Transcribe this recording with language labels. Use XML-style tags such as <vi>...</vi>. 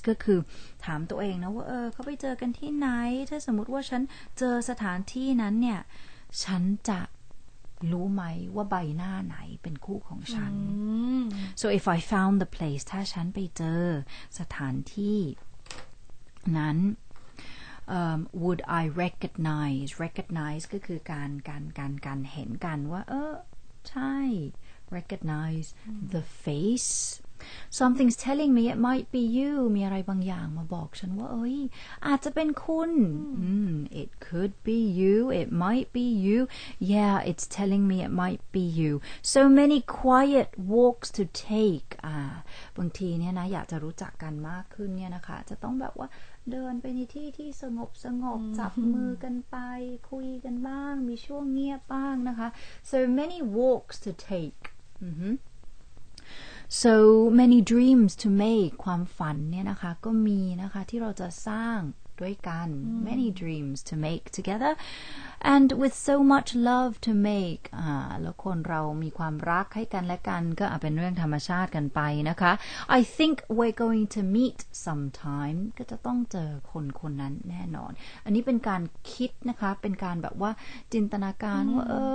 <th>ก็คือถามตัวเองนะว่าเขาไปเจอกันที่ไหนถ้าสมมติว่าฉันเจอสถานที่นั้นเนี่ยฉันจะรู้ไหมว่าใบหน้าไหนเป็นคู่ของฉัน</th> <en>So if I found the place,</en> <th>ถ้าฉันไปเจอสถานที่นั้น</th> <en>would I recognize?</en> <th>Recognize ก็คือการเห็นกันว่าใช่</th> <en>Recognize the face. Something's telling me it might be you.</en> <th>มีอะไรบางอย่างมาบอกฉันว่าอาจจะเป็นคุณ</th> <en>It could be you. It might be you. Yeah, it's telling me it might be you. So many quiet walks to take.</en> <th>บางทีเนี่ยนะอยากจะรู้จักกันมากขึ้นเนี่ยนะคะจะต้องแบบว่าเดินไปในที่ที่สงบสงบจับมือกันไปคุยกันบ้างมีช่วงเงียบบ้างนะคะ</th> <en>so many walks to take so many dreams to make</en> <th>ความฝันเนี่ยนะคะก็มีนะคะที่เราจะสร้างด้วยกัน</th> <en>many dreams to make</en> <th>together and with so much love to make แล้วคนเรามีความรักให้กันและกันก็เป็นเรื่องธรรมชาติกันไปนะคะ</th> <en>I think we're going to meet sometime</en> <th>ก็จะต้องเจอคนคนนั้นแน่นอนอันนี้เป็นการคิดนะคะเป็นการแบบว่าจินตนาการว่า</th>